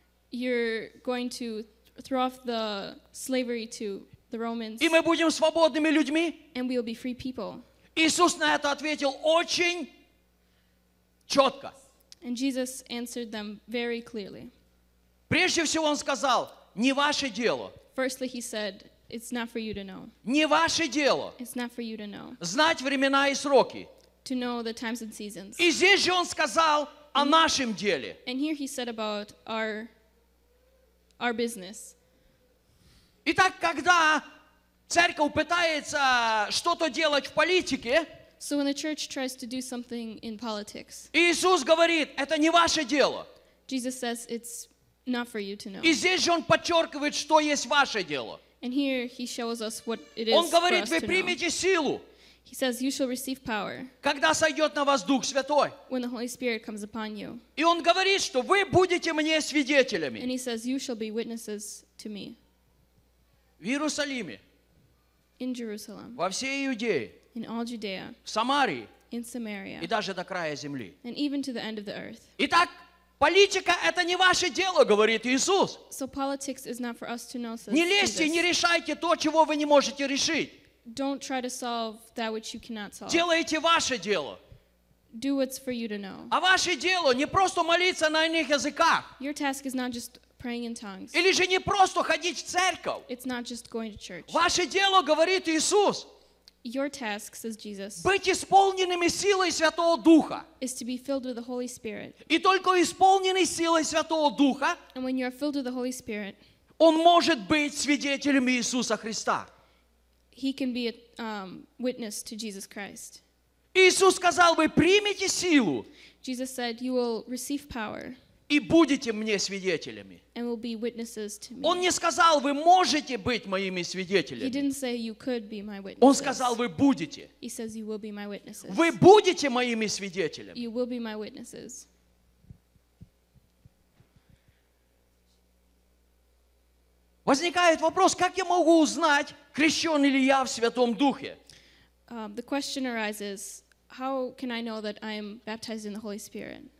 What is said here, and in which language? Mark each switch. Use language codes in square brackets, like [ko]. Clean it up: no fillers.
[en] You're going to throw off the slavery to the Romans. [ru] И мы будем свободными людьми. [en] And we'll be free people. [ru] Иисус на это ответил очень четко. [en] And Jesus answered them very clearly. [ru] Прежде всего он сказал, не ваше дело. [en] Firstly, he said, it's not for you to know. [ru] Не ваше дело. [en] It's not for you to know. [ru] Знать времена и сроки. [en] To know the times and seasons. [ru] И здесь же он сказал, о нашем деле. [en] And here he said about our business. [ru] Итак, когда церковь пытается что-то делать в политике, [en] so when the church tries to do something in politics, [ru] Иисус говорит, это не ваше дело. [en] Jesus says it's not for you to know. [ru] И здесь же он подчеркивает, что есть ваше дело. [en] And here he shows us what it is [ru] Он говорит, вы примете силу. [en] He says, you shall receive power [ru] Когда сойдет на вас Дух Святой. [en] When the Holy Spirit comes upon you. [ru] И он говорит, что вы будете мне свидетелями. [en] And he says, you shall be witnesses to me. [ru] В Иерусалиме. [en] In Jerusalem. [ru] Во всей Иудее. [en] In all Judea. [ru] В Самарии. [en] In Samaria. [ru] И даже до края земли. [en] And even to the end of the earth. [ru] Итак, политика – это не ваше дело, говорит Иисус. [en] So politics is not for us to know, says [ru] Не лезьте, [en] Jesus. [ru] Не решайте то, чего вы не можете решить. [en] Don't try to solve that which you cannot solve. [ru] Делайте ваше дело. [en] Do what's for you to know. [ru] А ваше дело не просто молиться на иных языках. [en] Your task is not just praying in tongues. [ru] Или же не просто ходить в церковь. [en] It's not just going to church. [ru] Ваше дело, говорит Иисус. [en] Your task, says Jesus, [uk] бути сповненими силою Святого Духа. [en] Is to be filled with the Holy Spirit. [uk] І тільки сповнений силою Святого Духа, [en] and when you are filled with the Holy Spirit, [uk] он може бути свидетелем Ісуса Христа. [en] He can be a witness to Jesus Christ. [uk] Ісус сказав: ви приймете силу. [en] Jesus said, you will receive power. [uk] І будете мені свидетелями. [en] And will be witnesses to me. [uk] Он не сказав: ви можете бути моїми свидетелями. [en] He didn't say you could be my witnesses. [uk] Он сказав: ви будете. [en] He says you will be my witnesses. [uk] Ви будете моїми свидетелями. [en] You will be my witnesses. [uk] Возникає вопрос: як я можу знати, хрещений ли я в Святому Духі? [en] The question arises, how can I know that I am baptized in the Holy Spirit?